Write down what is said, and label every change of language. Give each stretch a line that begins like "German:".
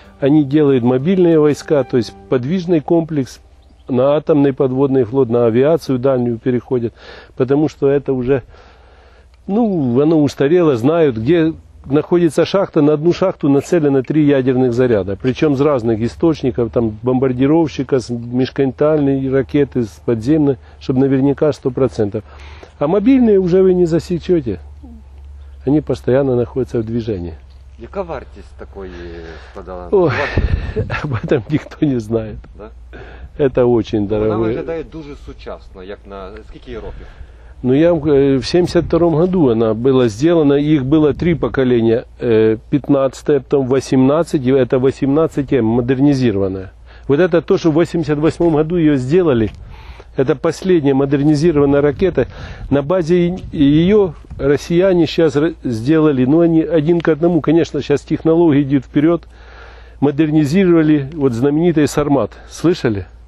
Russian: Они делают мобильные войска, то есть подвижный комплекс на атомный подводный флот, на авиацию дальнюю переходят, потому что это уже, ну, оно устарело, знают, где находится шахта. На одну шахту нацелено 3 ядерных заряда, причем с разных источников, там бомбардировщика, межконтинентальные ракеты, подземные, чтобы наверняка 100%. А мобильные уже вы не засечете, они постоянно находятся в движении.
Ukrainian: Яка вартість такої складала?
Russian: Об этом
Ukrainian: ніхто не знає. Це да? Дуже дорого. Вона виглядає дуже сучасно, як на скільки років? Ну, я в 72-му году вона була зроблена, їх було три покоління: 15-те, потім 18, і це 18-те модернізоване.
Russian: Вот это то,
Ukrainian: що в 88-му году її зробили.
Russian: Это последняя модернизированная ракета. На базе ее россияне сейчас сделали, ну, они один к одному, конечно, сейчас технология идет вперед, модернизировали вот знаменитый «Сармат». Слышали?